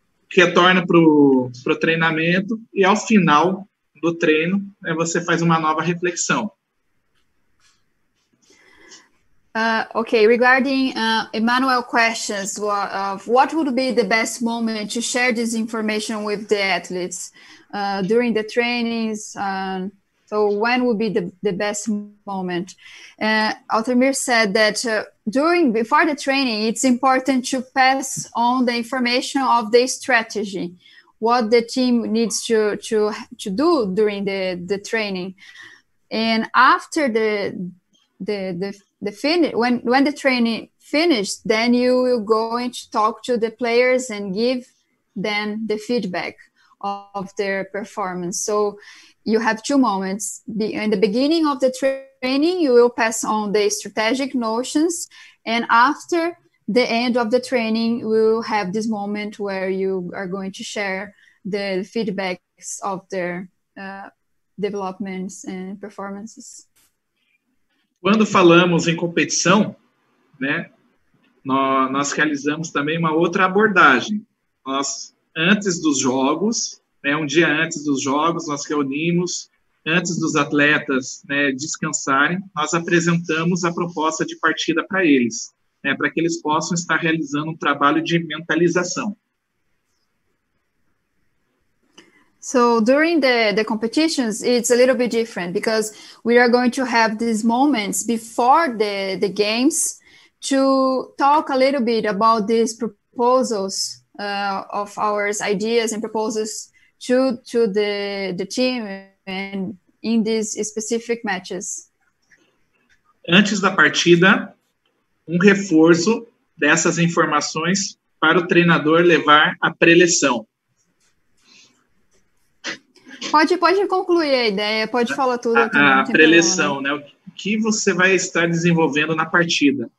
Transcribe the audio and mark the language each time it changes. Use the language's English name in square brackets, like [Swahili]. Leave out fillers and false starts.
[Portuguese] Retorna para o treinamento e, ao final do treino, você faz uma nova reflexão. [English] Okay, regarding Emmanuel's questions, what would be the best moment to share this information with the athletes during the trainings? So when would be the best moment? Altemir said that before the training, it's important to pass on the information of the strategy, what the team needs to do during the training. And after the finish, when the training finished, then you will go and talk to the players and give them the feedback of their performance. So you have two moments. In the beginning of the training, you will pass on the strategic notions, and after the end of the training, we'll have this moment where you are going to share the feedbacks of their developments and performances. [Portuguese] Quando falamos em competição, nós realizamos também uma outra abordagem. Nós, antes dos jogos, um dia antes dos jogos, nós reunimos, antes dos atletas descansarem, nós apresentamos a proposta de partida para eles, para que eles possam estar realizando um trabalho de mentalização. [English] So during the competitions, it's a little bit different, because we are going to have these moments before the games to talk a little bit about these proposals of ours, ideas and proposals to the team and in these specific matches. [Portuguese] Antes da partida, reforço dessas informações para o treinador levar à preleção. Pode concluir a ideia, pode falar tudo. A preleção, o que você vai estar desenvolvendo na partida?